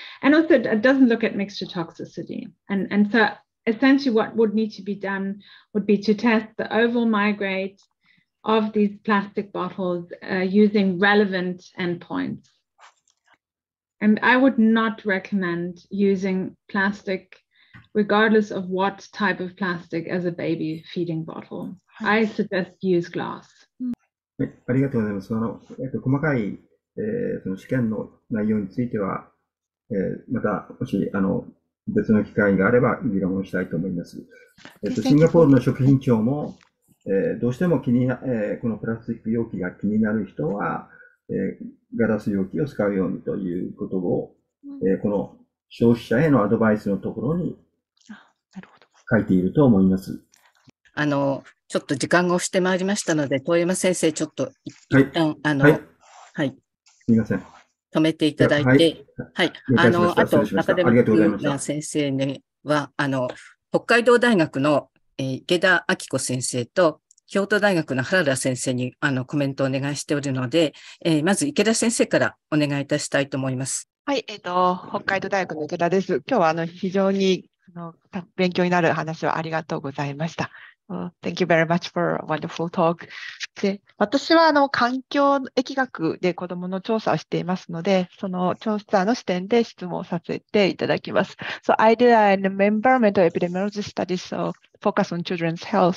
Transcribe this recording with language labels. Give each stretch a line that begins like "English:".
English: And also, it doesn't look at mixture toxicity. And so essentially, what would need to be done would be to test the oval migrate of these plastic bottles using relevant endpoints. And I would not recommend using plastic, regardless of what type of plastic, as a baby feeding bottle. I suggest use glass.
Japanese: ありがとうございます。細かい、その試験の内容については、またもし別の機会があれば議論をしたいと思います。シンガポールの食品庁も、どうしても気にな、このプラスチック容器が気になる人は、ガラス容器を使うようにということを、この消費者へのアドバイスのところに書いていると思います。ちょっと時間が押してまいりましたので、遠山先生、ちょっと一旦、はい、はい。すみません。止めていただいて、はい。あと、中でも、先生には、北海道大学の、池田明子先生と、京都大学の原田先生にコメントをお願いしておるので、まず池田先生からお願いいたしたいと思います。はい、北海道大学の池田です。今日は非常に勉強になる話をありがとうございました。
English: Thank you very much for a wonderful talk.
Japanese: で、私は環境疫学で子どもの調査をしていますので、その調査の視点で質問をさせていただきます。
English: So I did an environmental epidemiology study, so focus on children's health.